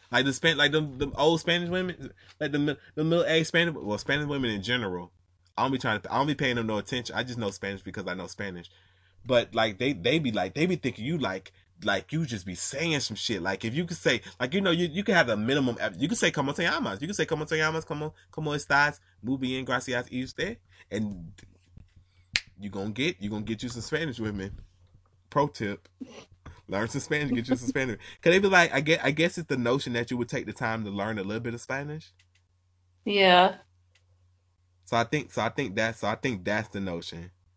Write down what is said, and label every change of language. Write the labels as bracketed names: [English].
[English] Like the old Spanish women, like the middle-aged Spanish, well, Spanish women in general, I don't be paying them no attention. I just know Spanish because I know Spanish. But like they be thinking you like you just be saying some shit. Like if you could say, like, you know, you can have a minimum, you can say [Spanish] como te llamas. [English] You can say [Spanish] como te llamas, como estás, muy bien, gracias, y usted. [English] And you're gonna get you some Spanish women. Pro tip. Learn some Spanish, get you some Spanish. Cause they be like, I guess it's the notion that you would take the time to learn a little bit of Spanish. Yeah. So I think that's the notion.